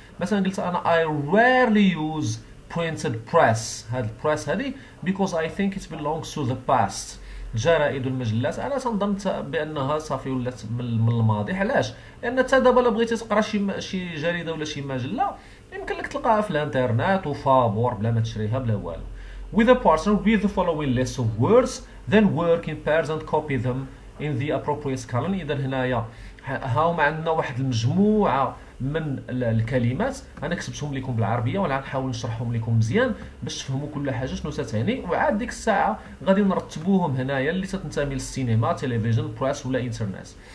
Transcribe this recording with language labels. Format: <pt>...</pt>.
<ar>مثلا قلت انا</ar> <en>I rarely use printed press,</en> <ar>هاد البريس هادي</ar> <en>because I think it belongs to the past,</en> <ar>جرائد والمجلات انا تنظن بانها صافي ولات من الماضي. علاش؟ لان حتى دابا الا بغيتي تقرا شي جريده ولا شي مجله يمكن لك تلقاها في الانترنت وفابور بلا ما تشريها بلا والو.</ar> <en>With a partner, read the following list of words, then work in pairs and copy them in the appropriate column.</en> <ar>إذا هنايا ها هما عندنا واحد المجموعة من الكلمات، أنا كتبتهم لكم بالعربية وأنا غنحاول نشرحهم لكم مزيان باش تفهموا كل حاجة شنو تتعني، وعاد ديك الساعة غادي نرتبوهم هنايا اللي تتنتمي للسينما، تلفزيون، بريس ولا إنترنت.</ar>